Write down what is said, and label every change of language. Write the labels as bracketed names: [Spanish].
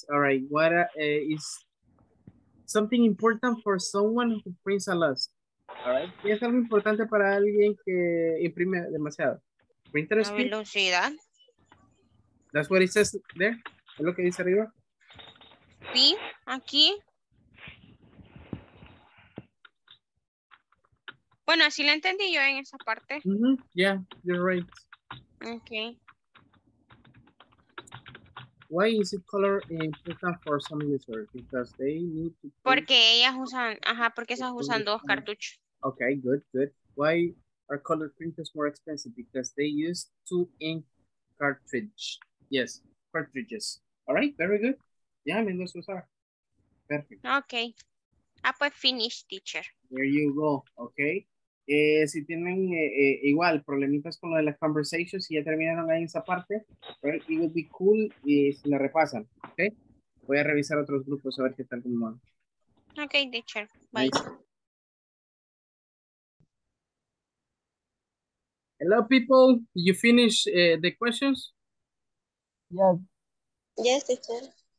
[English] All right, what is something important for someone who prints a lot? All right, [Spanish] ¿qué es algo importante para alguien que imprime demasiado? [English] Printer speed. [Spanish] La velocidad. [English] That's what it says there. [Spanish] ¿Es lo que dice arriba? Sí, aquí. Bueno, así lo entendí yo en esa parte. [English] Mm-hmm. Yeah, you're right. Okay. Why is it color important for some users? Because they need to... [Spanish] Porque ellas usan... Ajá, porque esas usan dos cartuchos. [English] Okay, good, good. Why are color printers more expensive? Because they use 2-inch cartridge. Yes, cartridges. All right, very good. Yeah, [Spanish] me los usar. [English] Perfect. Okay. Ah, pues finish, teacher. There you go, okay. [Spanish] Si tienen igual problemitas con lo de las conversations, si ya terminaron ahí esa parte, right? [English] It would be cool [Spanish] si la repasan, [English] okay. [Spanish] Voy a revisar otros grupos a ver qué tal como van. [English] Okay, teacher. Bye. Nice. Hello, people. Did you finish the questions? Yes. Yes, teacher.